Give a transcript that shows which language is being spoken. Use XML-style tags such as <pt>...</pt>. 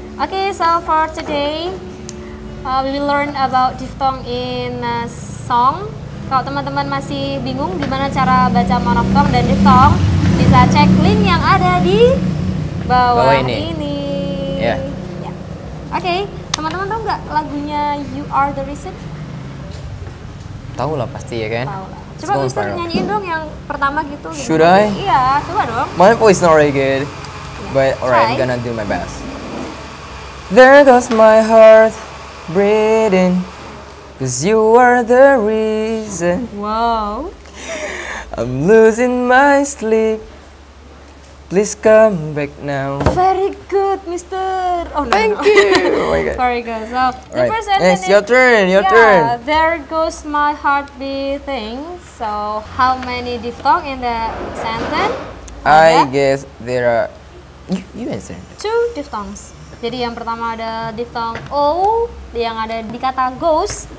<en>Okay, so for today we learn about diphthong in a song.</en> <id>Kalau teman-teman masih bingung gimana cara baca monoftong dan diphthong, bisa cek link yang ada di bawah ini.</id> <en>Yeah.</en> <id>Oke, teman-teman tahu nggak lagunya You Are the Reason? Tahu lah pasti ya kan. Tahu lah. Coba Mister nyanyiin dong yang pertama gitu.</id> <en>Should</en> <id>gitu.</id> <en>I?</en> <id>Iya, coba dong.</id> <en>My voice not really good, but alright, I'm gonna do my best. There goes my heart breathing, 'cause you are the reason. Wow. I'm losing my sleep. Please come back now. Very good, Mister. Oh, no. Thank you. Oh my God. Very good. So, right. The first sentence. Yes, your turn. Your turn. There goes my heart beating. So, how many diphthong in the sentence? I guess there are. You answer. Two diphthongs.</en> <id>Jadi yang pertama ada diphthong o, yang ada di kata goes.</id>